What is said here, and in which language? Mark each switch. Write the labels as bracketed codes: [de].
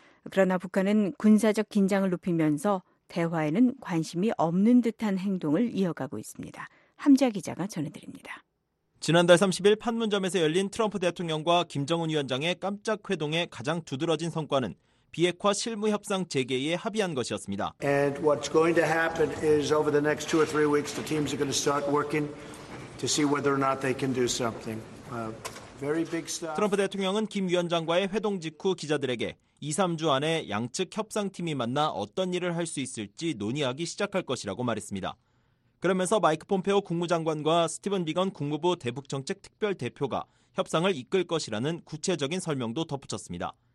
[ko] 그러나 북한은 군사적 긴장을 높이면서 대화에는 관심이 없는 듯한 행동을 이어가고 있습니다. 함자 기자가 전해드립니다. 지난달 30일 판문점에서 열린 트럼프 대통령과 김정은 위원장의 깜짝 회동의 가장 두드러진 성과는 비핵화 실무 협상 재개에 합의한 것이었습니다. [en] And what's going to happen is over the next two or three weeks, the teams are going to start working to see whether or not they can do something. Very big stuff. [ko] 트럼프 대통령은 김 위원장과의 회동 직후 기자들에게 2-3주 안에 양측 협상 팀이 만나 어떤 일을 할 수 있을지 논의하기 시작할 것이라고 말했습니다. 그러면서 마이크 폼페오 국무장관과 스티븐 비건 국무부 대북 정책 특별 대표가 협상을 이끌 것이라는 구체적인 설명도 덧붙였습니다.